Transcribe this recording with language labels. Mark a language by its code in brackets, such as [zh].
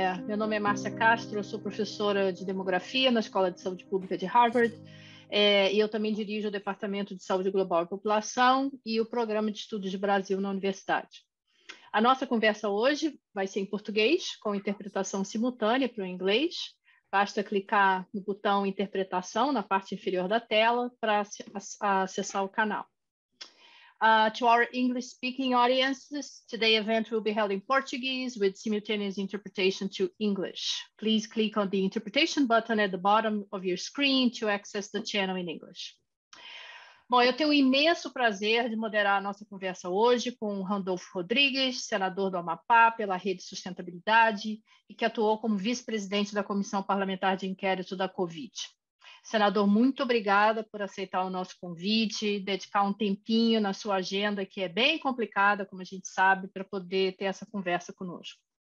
[pt] Meu nome é Márcia Castro, eu sou professora de demografia na Escola de Saúde Pública de Harvard, e eu também dirijo o Departamento de Saúde Global e População e o Programa de Estudos de Brasil na Universidade. A nossa conversa hoje vai ser em português, com interpretação simultânea para o inglês. Basta clicar no botão Interpretação na parte inferior da tela para acessar o canal. [en] To our English-speaking audiences, today's event will be held in Portuguese with simultaneous interpretation to English. Please click on the interpretation button at the bottom of your screen to access the channel in English. [pt] Bom, eu tenho o imenso prazer de moderar a nossa conversa hoje com Randolfo Rodrigues, senador do Amapá pela Rede Sustentabilidade e que atuou como vice-presidente da Comissão Parlamentar de Inquérito da Covid. Senador, muito obrigada por aceitar o nosso convite, dedicar um tempinho na sua agenda, que é bem complicada, como a gente sabe, para poder ter essa conversa conosco.